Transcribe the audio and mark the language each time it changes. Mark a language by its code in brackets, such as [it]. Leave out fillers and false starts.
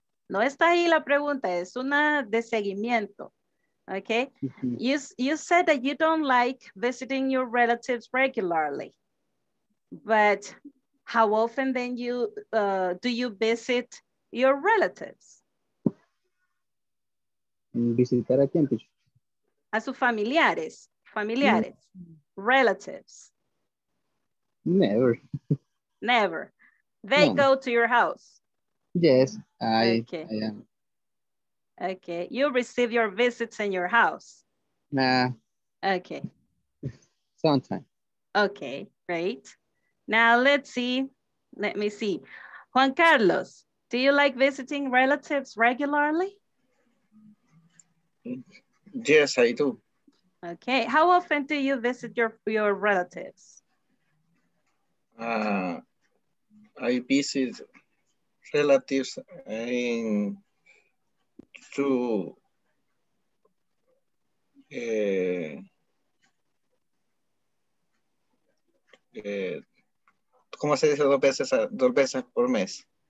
[es] No está ahí la pregunta, es una de seguimiento, okay? [en] You said that you don't like visiting your relatives regularly, but how often then you do you visit your relatives? [es] ¿Visitar a quién? A sus familiares, familiares, relatives. [en] Never. Never. They go to your house. Yes, I am. Okay, you receive your visits in your house. Nah. Okay. Sometimes. Okay, great. Now let's see. Let me see. Juan Carlos, do you like visiting relatives regularly? Yes, I do. Okay, how often do you visit your relatives? I visit relatives in [es] ¿cómo se dice dos veces por mes?